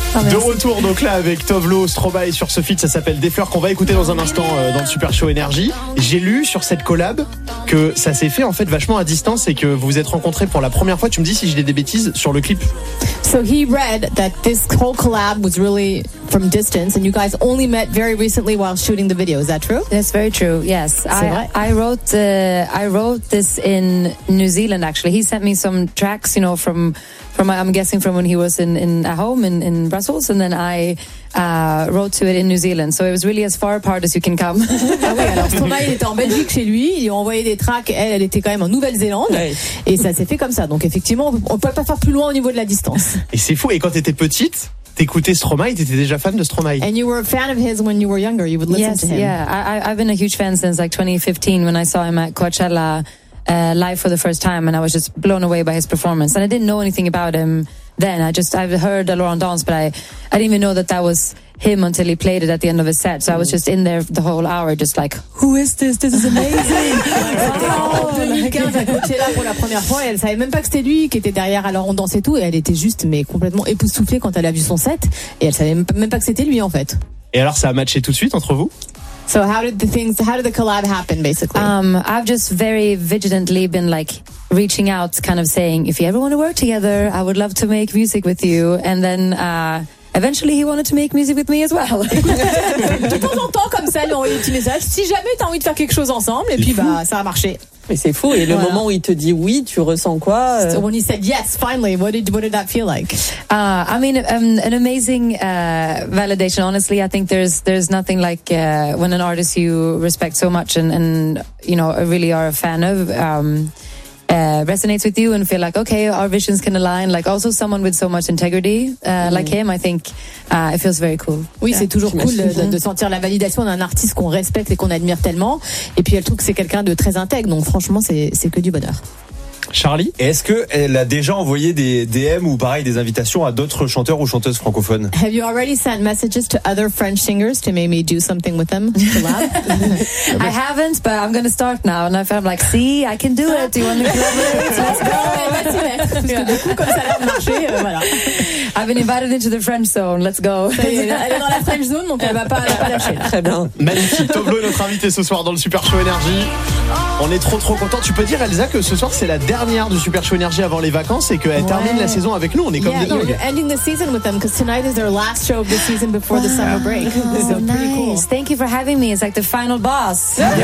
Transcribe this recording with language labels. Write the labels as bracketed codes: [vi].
[fr] De retour donc là avec Tove Lo, Stromae sur ce feat, ça s'appelle Des Fleurs qu'on va écouter dans un instant dans le Super Show Énergie. J'ai lu sur cette collab que ça s'est fait en fait vachement à distance et que vous vous êtes rencontrés pour la première fois. Tu me dis si j'ai des bêtises sur le clip. [en] So he read that this whole collab was really from distance and you guys only met very recently while shooting the video. Is that true? That's very true. Yes, I wrote this in New Zealand actually. He sent me some tracks, you know, from I'm guessing from when he was in at home in Brussels, and then I wrote to it in New Zealand. So it was really as far apart as you can come. [fr] Ah oui, alors Stromae était en Belgique chez lui, il a envoyé des tracks, elle était quand même en Nouvelle-Zélande, oui. Et ça s'est fait comme ça. Donc effectivement, on peut pas faire plus loin au niveau de la distance. Et c'est fou. Et quand t'étais petite, t'écoutais Stromae, t'étais déjà fan de Stromae. [en] And you were a fan of his when you were younger. You would listen yes, to him. Yeah, I've been a huge fan since like 2015 when I saw him at Coachella. Live for the first time, and I was just blown away by his performance. And I didn't know anything about him then. I've heard Laurent Danse, but I didn't even know that was him until he played it at the end of his set. So I was just in there the whole hour, just like, who is this? This is amazing. [fr] Oh, 2015, elle était là pour la première fois et elle savait même pas que c'était lui qui était derrière à Laurent Danse et tout. Et elle était juste, mais complètement époustouflée quand elle a vu son set. Et elle savait même pas que c'était lui, en fait. Et alors, ça a matché tout de suite entre vous? [en] So how did the collab happen basically? I've just very vigilantly been like reaching out, kind of saying, if you ever want to work together, I would love to make music with you. And then eventually he wanted to make music with me as well. [fr] De temps en temps comme ça, lui envoyer un petit message, si jamais t'as envie de faire quelque chose ensemble, et puis bah ça a marché. Mais c'est fou. Et le voilà. Moment où il te dit oui, tu ressens quoi? [en] So when he said yes, finally, what did that feel like? An amazing validation. Honestly, I think there's nothing like when an artist you respect so much and you know really are a fan of resonates with you and feel like okay, our visions can align. Like also someone with so much integrity like him, I think it feels very cool. [fr] Oui, yeah. C'est toujours cool de sentir la validation d'un artiste qu'on respecte et qu'on admire tellement. Et puis elle trouve que c'est quelqu'un de très intègre. Donc franchement, c'est que du bonheur. Charlie, est-ce que elle a déjà envoyé des DM ou pareil des invitations à d'autres chanteurs ou chanteuses francophones? [en] Have you already sent messages to other French singers to make me do something with them? I haven't, but I'm going to start now. And I'm like, see, I can do it. Do you want to come? Let's go. [fr] Parce que du coup, comme ça a marché, voilà. [en] I've been invited into the French zone. Let's go. [fr] Elle est dans la French zone, donc elle va pas lâcher. Très bien. Magnifique. Tove Lo est notre invitée ce soir dans le Super Show Énergie. On est trop trop contents. Tu peux dire, Elsa, que ce soir, c'est la dernière du Super Show Énergie avant les vacances et qu'elle termine la saison avec nous. On est comme des dingues. [en] Ending the season with them, because tonight is their last show of the season before the summer break. Oh, so pretty nice. Cool. Thank you for having me. It's like the final boss.